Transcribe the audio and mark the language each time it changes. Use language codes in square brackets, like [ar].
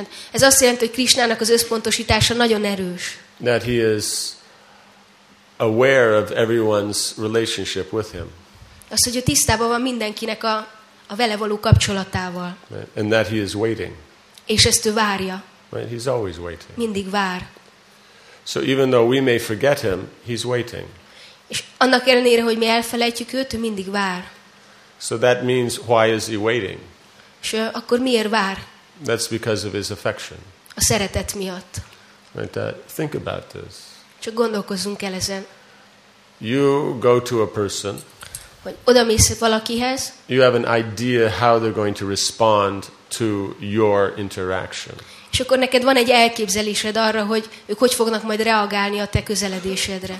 [hu] Ez azt jelenti, hogy Krishnának az összpontosítása nagyon erős. [en] That he is aware of everyone's relationship with him. [hu] Az, hogy ő tisztában van mindenkinek a vele való kapcsolatával. [en] Right. And that he is waiting. [hu] És ezt ő várja. [en] Right. He's always waiting. [hu] Mindig vár. [en] So even though we may forget him, he's waiting. [hu] És annak ellenére, hogy mi elfelejtjük őt, ő mindig vár. [en] So that means, why is he waiting? [hu] És akkor miért vár? [en] That's because of his affection. [hu] A szeretet miatt. [en] Right, think about this. [hu] Csak gondolkozzunk el ezen. [en] You go to a person. [hu] Hogy oda mész valakihez. [en] You have an idea how they're going to respond to your interaction. [hu] És akkor neked van egy elképzelésed arra, hogy ők hogy fognak majd reagálni a te közeledésedre.